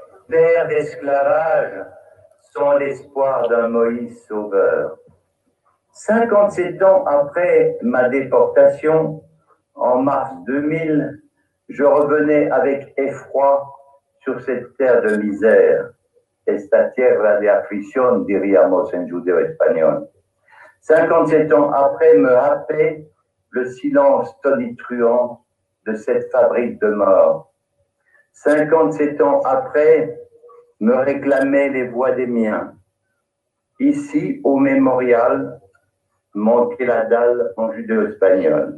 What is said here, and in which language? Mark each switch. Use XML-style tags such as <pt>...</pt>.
<fr>Terre d'esclavage sans l'espoir d'un Moïse sauveur. 57 ans après ma déportation, en mars 2000, je revenais avec effroi sur cette terre de misère.</fr> <es>Esta tierra de aflicción, diríamos en judeo español.</es> <fr>57 ans après me happait le silence tonitruant de cette fabrique de mort. 57 ans après, me réclamaient les voix des miens. Ici, au mémorial, montait la dalle en judéo espagnol.</fr>